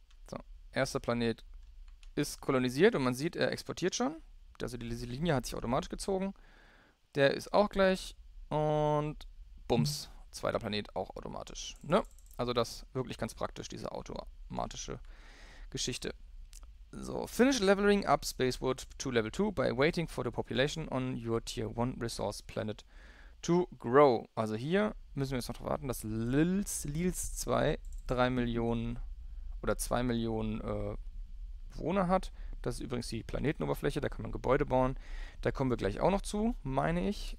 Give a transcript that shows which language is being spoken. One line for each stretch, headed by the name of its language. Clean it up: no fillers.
German: So, erster Planet ist kolonisiert und man sieht, er exportiert schon. Also die Linie hat sich automatisch gezogen. Der ist auch gleich und Bums, zweiter Planet auch automatisch. Ne? Also das wirklich ganz praktisch, diese automatische Geschichte.
English: So, finish leveling up Spacewood to Level 2 by waiting for the population on your Tier 1 Resource Planet to grow.
German: Also hier müssen wir jetzt noch darauf warten, dass Lils 2 3 Millionen oder 2 Millionen Bewohner hat. Das ist übrigens die Planetenoberfläche, da kann man Gebäude bauen. Da kommen wir gleich auch noch zu, meine ich.